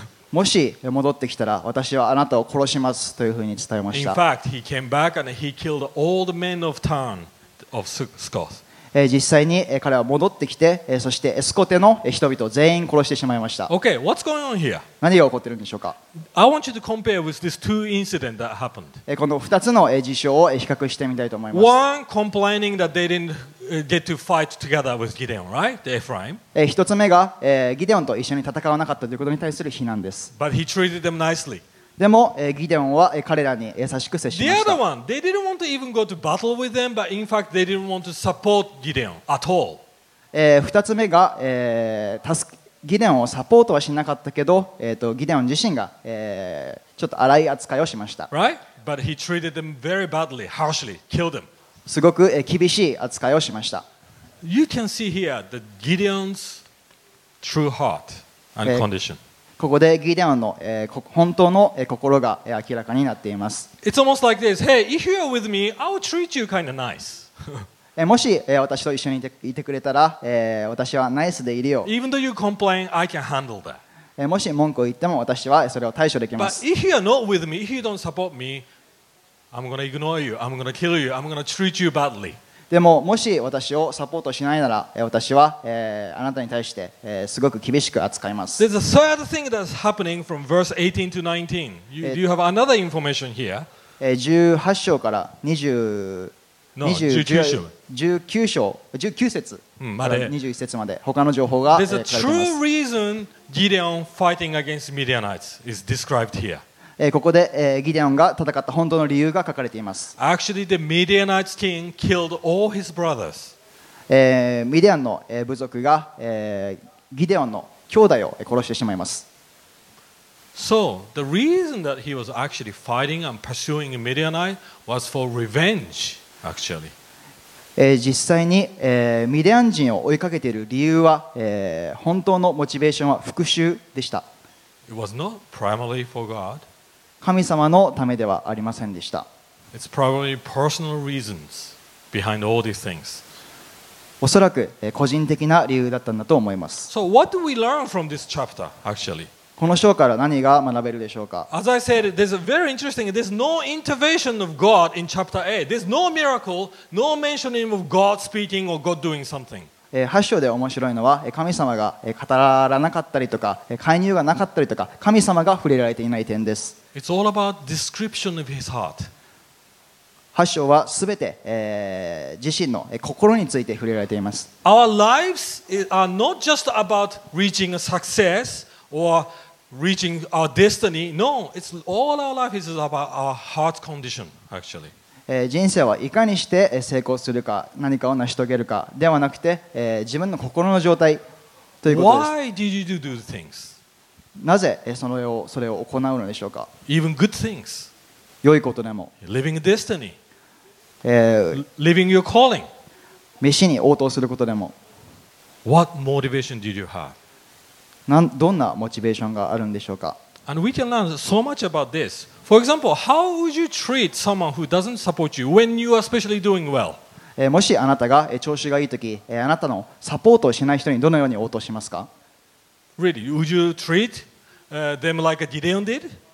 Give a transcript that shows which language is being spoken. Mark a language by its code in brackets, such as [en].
[ja] もし戻ってきたら私はあなたを殺しますというふうに伝えました。 [en] In fact, he came back and he killed all the men of town of Scoth. [ja] 実際に彼は戻ってきて、そしてスコテの人々を全員殺してしまいました。 [en] Okay, what's going on here? [ja] 何が起こっているんでしょうか。 [en] I want you to compare with these two incidents that happened. [ja] この2つの事象を比較してみたいと思います。 [en] One, complaining that they didn't. Get to fight together with Gideon, right? The Ephraim. [ja] 一つ目が、ギデオンと一緒に戦わなかったということに対する非難です。 [en] But he treated them nicely. [ja] でも、ギデオンは彼らに優しく接しました。 [en] The other one, they didn't want to even go to battle with them, but in fact, they didn't want to support Gideon at all. [ja] 二つ目が、ギデオンをサポートはしなかったけど、ギデオン自身が、ちょっと荒い扱いをしました。 [en] Right? But he treated them very badly, harshly, killed them. [ja] すごく厳しい扱いをしました。 [en] You can see here the Gideon's true heart and condition. [ja] ここでギデオンの本当の心が明らかになっています。 [en] It's almost like this. Hey, if you're with me, I'll treat you kind of nice. [ja] もし私と一緒にいてくれたら、私はナイスでいるよ。 [en] Even though you complain, I can handle that. [ja] もし文句を言っても私はそれを対処できます。 [en] But if you're not with me, if you don't support me,I'm gonna ignore you. I'm gonna kill you. I'm gonna treat you badly. [ja] でももし私をサポートしないなら、私は、あなたに対して、すごく厳しく扱います。 [en] There's a third thing that's happening from verse 18 to 19. You have another information here. [ja] 18章から19節から 21節まで他の情報が [en] There's a true reason Gideon fighting against Midianites is described here. [ja] ここで、ギデオンが戦った本当の理由が書かれています。 [en] Actually, the Midianites king killed all his brothers. [ja] ミディアンの部族が、ギデオンの兄弟を殺してしまいます。 [en] So, the reason that he was actually fighting and pursuing Midianite was for revenge, actually. [ja] 実際に、ミディアン人を追いかけている理由は、本当のモチベーションは復讐でした。 [en] It was not primarily for God. [ja] 神様のためではありませんでした。 [en] It's probably personal reasons behind all these things. [ja] おそらく個人的な理由だったんだと思います。 [en] So what do we learn from this chapter, actually? [ja] この章から何が学べるでしょうか? [en] As I said, there's a very interesting, there's no intervention of God in chapter 8. There's no miracle, no mentioning of God speaking or God doing something. [ja] 8章で面白いのは神様が語らなかったりとか介入がなかったりとか神様が触れられていない点です。 [en] It's all about description of his heart. [ja] 8章はすべて、自身の心について触れられています。 [en] Our lives are not just about reaching a success or reaching our destiny. No, it's all our life is about our heart condition, actually. [ja] 人生はいかにして成功するか、何かを成し遂げるかではなくて、自分の心の状態ということです。 [en] Why did you do the things? [ja] なぜそれを行うのでしょうか。 [en] Even good things. [ja] 良いことでも、 [en] living a destiny, living your calling, [ja] 召しに応答することでも、 [en] what motivation did you have? [ja] どんなモチベーションがあるんでしょうか。 [en] And we can learn so much about this. For example, how would you treat someone who doesn't support you when you are especially doing well? [ja] もしあなたが調子がいいとき、あなたのサポートをしない人にどのように応答しますか。 [en] Really, would you treat them like Gideon did?